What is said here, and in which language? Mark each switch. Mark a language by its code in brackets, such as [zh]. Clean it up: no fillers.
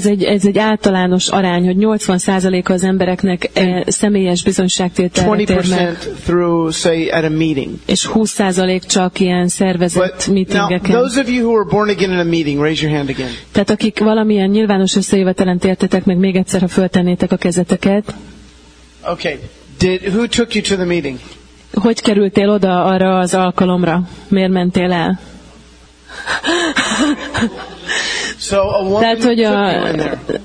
[hu] Ez egy általános arány, hogy 80% az embereknek személyes bizonyságtételt ér meg. [en] 20% through, say, at a meeting. [hu] És 20% csak ilyen szervezett meetingeken. [en] Now, those of you who are born again in a meeting, raise your hand again. [hu] Tehát akik valamilyen nyilvános összejövetelen tértetek, meg még egyszer, ha föltennétek a kezeteket. [en] Okay. Did, who took you to the meeting? [hu] Hogy kerültél oda arra az alkalomra? Miért mentél el? [en] So a woman that took you in there.